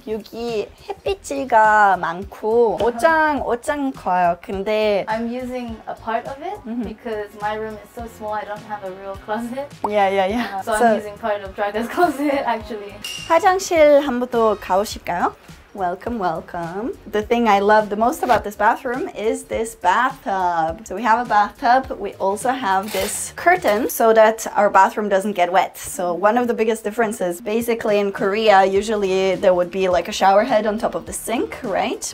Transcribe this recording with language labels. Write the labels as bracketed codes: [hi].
[ko] 여기 햇빛이가 많고 옷장 옷장 커요. 근데 [en] I'm using a part of it mm-hmm. because my room is so small. I don't have a real closet. Yeah, yeah, yeah. So I'm using part of Dragos closet actually. [ko] 화장실 한번 더 가보실까요? [en] Welcome, welcome. The thing I love the most about this bathroom is this bathtub. So we have a bathtub. We also have this curtain so that our bathroom doesn't get wet. So one of the biggest differences, basically in Korea, usually there would be like a shower head on top of the sink, right?